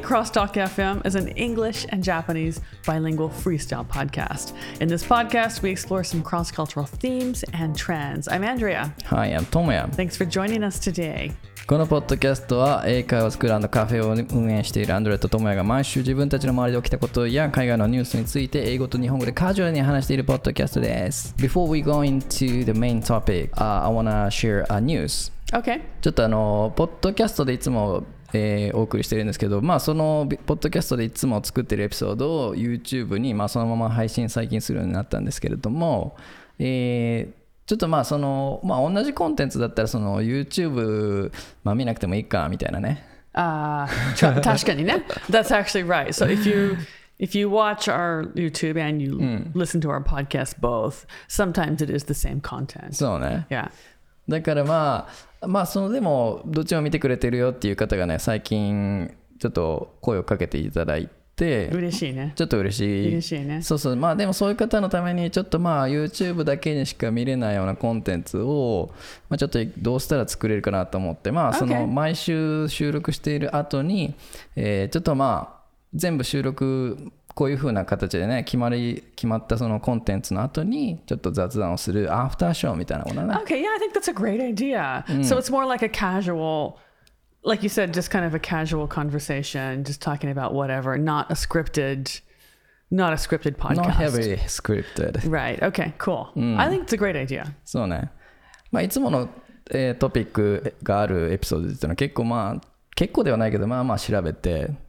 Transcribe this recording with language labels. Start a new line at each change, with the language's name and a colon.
English: Crosstalk FM is an English and Japanese bilingual freestyle podcast. In this podcast, we explore some cross-cultural themes and trends. I'm Andrea. Hi, I'm Tomoya. Thanks for joining us today.
Japanese: このポッドキャストは英会話スクールカフェを運営しているアンドレとトモヤが毎週自分たちの周りで起きたことや海外のニュースについて英語と日本語でカジュアルに話しているポッドキャストです。
English: Before we go into the main topic, I wanna share a news. Okay.
Japanese: ちょっとポッドキャストでいつも、お送りしてるんですけど、まあそのポッドキャストでいつも作ってるエピソードを YouTube に、まあ、そのまま配信最近するようになったんですけれども、ちょっとまあその、まあ、同じコンテンツだったらその YouTube、まあ、見なくてもいいかみたいなね。
English: 確かにね。 That's actually right. So if you watch our YouTube and you listen to our podcast both, sometimes it is the same content.
Japanese: そうね。
English: Yeah.
Japanese: だからまあ、まあ、そのでもどっちも見てくれてるよっていう方がね、最近ちょっと声をかけていただいて。で嬉しいね。ちょっと嬉しい。嬉しいね。そうそう。まあでもそういう方のためにちょっとまあ YouTube だけにしか見れないようなコンテンツを、まあ、ちょっとどうしたら作れるかなと思って、まあその毎週収録している後に、ちょっとまあ全部収録こういう風な形でね決まったそのコンテンツの後にちょっと雑談をするアフターショーみたいなものね。
English: Okay, yeah, I think that's a great idea.、うん、so it's more like a casual. Like you said, just kind of a casual conversation, just talking about whatever, not a scripted podcast. Not heavy scripted. Right. Okay, cool.、うん、I think it's a great idea.
Japanese: そうね。まあ、いつもの、トピックがあるエピソードっていうのは結構まあ、結構ではないけど、まあまあ調べて。